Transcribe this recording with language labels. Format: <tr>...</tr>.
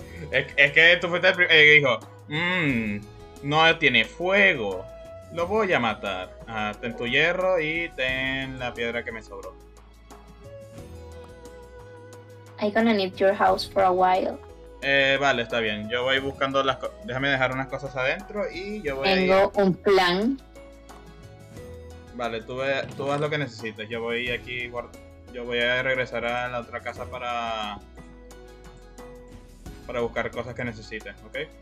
<es>Es que tú fuiste el primero que dijo: no tiene fuego. Lo voy a matar. Ten tu hierro y ten la piedra que me sobró.</es> <en>I'm gonna need your house for a while.</en> <es>Vale, está bien. Yo voy buscando las cosas. Déjame dejar unas cosas adentro y yo voy. Tengo un plan. Vale, tú haz lo que necesites. Yo voy aquí. Yo voy a regresar a la otra casa para buscar cosas que necesites, ¿ok?</es>